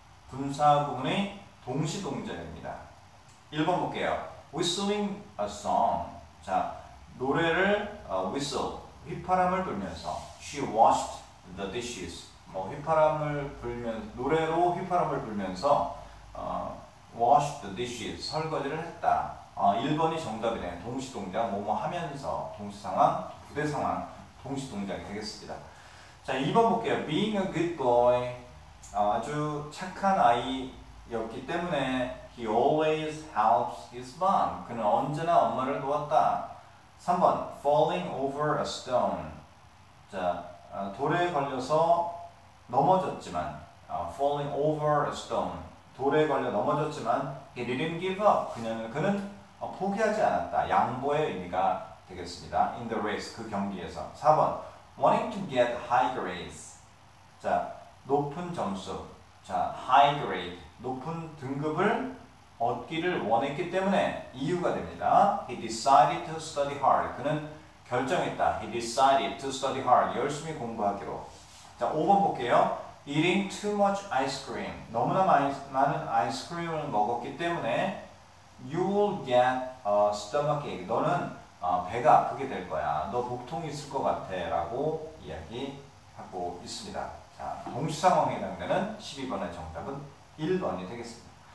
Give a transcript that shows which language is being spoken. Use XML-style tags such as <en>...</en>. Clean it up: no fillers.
<ko>분사구문의 동시동작입니다. 1번 볼게요.</ko> <en>Whistling a song.</en> <ko>자, 노래를</ko> <en>whistle,</en> <ko>휘파람을 불면서</ko> <en>She washed the dishes.</en> <ko>뭐 노래로 휘파람을 불면서</ko> <en>washed the dishes,</en> <ko>설거지를 했다. 1번이 정답이네요. 동시동작, 뭐뭐 하면서 동시상황, 부대상황, 동시동작이 되겠습니다. 자, 2번 볼게요.</ko> <en>Being a good boy,</en> <ko>아주 착한 아이였기 때문에</ko> <en>he always helps his mom.</en> <ko>그는 언제나 엄마를 도왔다. 3번,</ko> <en>falling over a stone.</en> <ko>자, 돌에 걸려서 넘어졌지만</ko> <en>falling over a stone.</en> <ko>돌에 걸려 넘어졌지만</ko> <en>he didn't give up.</en> <ko>그는 포기하지 않았다. 양보의 의미가 되겠습니다.</ko> <en>In the race,</en> <ko>그 경기에서.</ko> <en>4번, wanting to get high grades.</en> <ko>자, 높은 점수. 자, high grade, 높은 등급을 얻기를 원했기 때문에 이유가 됩니다.</ko> <en>He decided to study hard.</en> <ko>그는 결정했다.</ko> <en>He decided to study hard.</en> <ko>열심히 공부하기로. 자, 5번 볼게요.</ko> <en>Eating too much ice cream.</en> <ko>너무나 많은 아이스크림을 먹었기 때문에</ko> <en>You will get a stomachache.</en> <ko>너는 배가 아프게 될 거야. 너 복통이 있을 것 같아. 라고 이야기하고 있습니다. 자, 동시상황에 해당되는 12번의 정답은 1번이 되겠습니다.</ko>